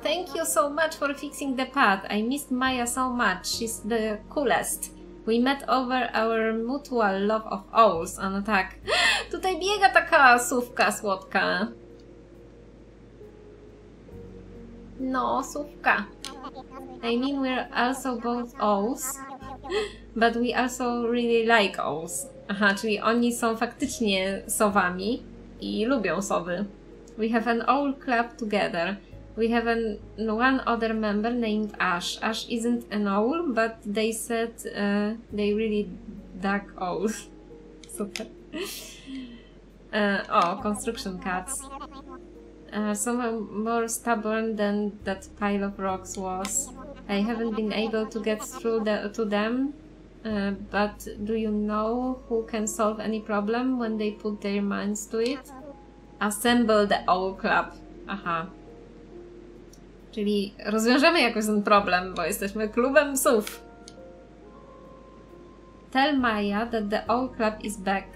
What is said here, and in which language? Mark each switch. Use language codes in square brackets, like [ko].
[en] Thank you so much for fixing the path. I missed Maya so much. She's the coolest. We met over our mutual love of owls. [pl] Ano tak. Tutaj biega taka sówka słodka. No, sówka. [en] I mean, we're also both owls. But we also really like owls. [pl] Aha, czyli oni są faktycznie sowami i lubią sowy. [en] We have an owl club together. We have an one other member named Ash. Ash isn't an owl, but they said they really dug owls. Super. O, construction cats. Some more stubborn than that pile of rocks was. I haven't been able to get through to them. But do you know who can solve any problem when they put their minds to it? Assemble the owl club. Aha. [pl] Czyli rozwiążemy jakoś ten problem, bo jesteśmy klubem psów. [en] Tell Maya that the owl club is back.